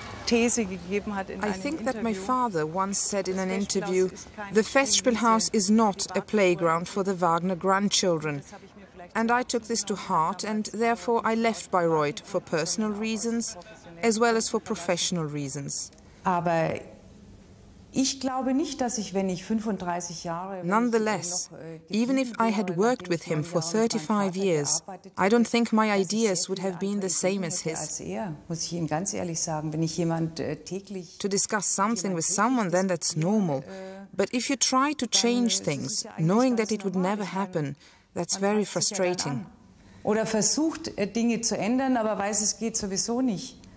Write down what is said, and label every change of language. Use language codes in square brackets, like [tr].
[en] I think that my father once said in an interview, the Festspielhaus is not a playground for the Wagner grandchildren. And I took this to heart, and therefore I left Bayreuth for personal reasons as well as for professional reasons. [de] Ich glaube nicht, dass ich, wenn ich 35 Jahre... [en] Nonetheless, even if I had worked with him for 35 years, I don't think my ideas would have been the same as his. [de] Muss ich Ihnen ganz ehrlich sagen, wenn ich jemand täglich... [en] To discuss something with someone, then that's normal. But if you try to change things, knowing that it would never happen, that's very frustrating. [de] Oder versucht, Dinge zu ändern, aber weiß, es geht sowieso nicht.